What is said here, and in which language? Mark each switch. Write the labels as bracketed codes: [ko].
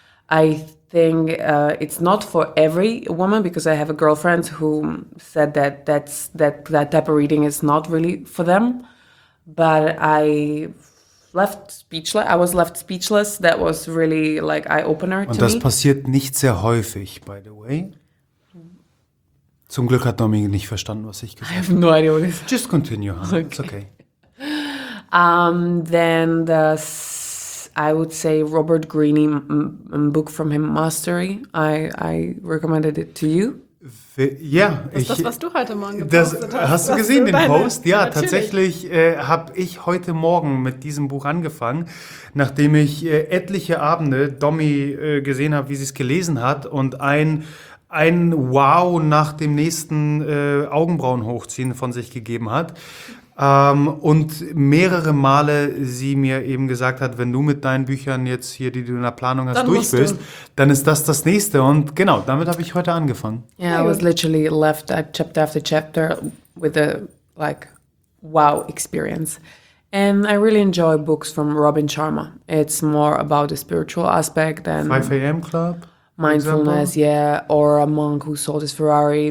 [en] I think it's not for every woman, because I have a girlfriend who said that type of reading is not really for them. But I was left speechless. That was really like eye-opener to me. [de] Und das passiert nicht sehr häufig, [en] by the way. [de] Zum Glück hat Domi nicht verstanden, was ich gesagt habe. [en] I have no idea what it is. Just continue, huh? Okay. It's okay. Then I would say Robert Greene, book from him, Mastery. I recommended it to you. [de] Das, was du heute Morgen gepostet hast. Hast du gesehen, den Post? Ja, natürlich. Tatsächlich habe ich heute Morgen mit diesem Buch angefangen, nachdem ich etliche Abende Domi gesehen habe, wie sie es gelesen hat, und ein Wow nach dem nächsten Augenbrauen hochziehen von sich gegeben hat. Und mehrere Male sie mir eben gesagt hat, wenn du mit deinen Büchern jetzt hier, die du in der Planung hast, durch bist, dann ist das nächste. Und genau, damit habe ich heute angefangen. [en] Yeah, I was literally left chapter after chapter with a like wow experience. And I really enjoy books from Robin Sharma. It's more about the spiritual aspect than... 5 a.m. Club? Mindfulness, yeah, or a monk who sold his Ferrari.